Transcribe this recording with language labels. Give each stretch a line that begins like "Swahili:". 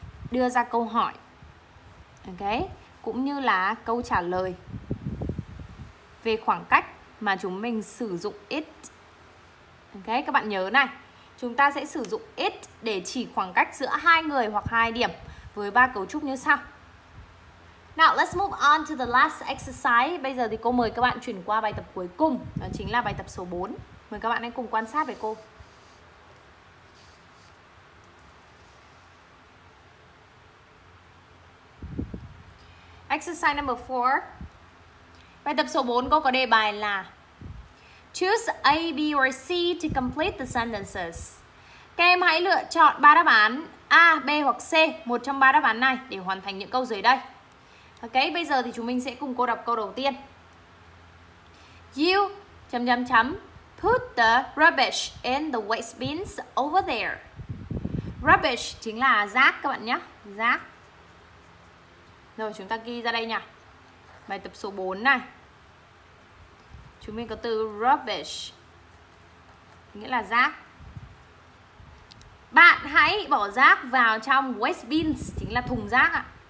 Vietnamese: đưa ra câu hỏi, ok, cũng như là câu trả lời về khoảng cách mà chúng mình sử dụng it. Ok, các bạn nhớ này, chúng ta sẽ sử dụng it để chỉ khoảng cách giữa hai người hoặc hai điểm với ba cấu trúc như sau.
English: Now let's move on to the last exercise.
Vietnamese: Bây giờ thì cô mời các bạn chuyển qua bài tập cuối cùng, đó chính là bài tập số 4. Mời các bạn hãy cùng quan sát với cô.
English: Exercise number 4.
Vietnamese: Bài tập số 4 cô có đề bài là
English: choose A, B or C to complete the sentences.
Vietnamese: Các em hãy lựa chọn ba đáp án A, B hoặc C, một trong ba đáp án này để hoàn thành những câu dưới đây. Ok, bây giờ thì chúng mình sẽ cùng cô đọc câu đầu tiên.
English: You put the rubbish in the waste bins over there.
Vietnamese: Rubbish chính là rác các bạn nhé, rác. Rồi chúng ta ghi ra đây nhỉ. Bài tập số 4 này. Chúng mình có từ rubbish, nghĩa là rác. Bạn hãy bỏ rác vào trong waste bins, chính là thùng rác ạ.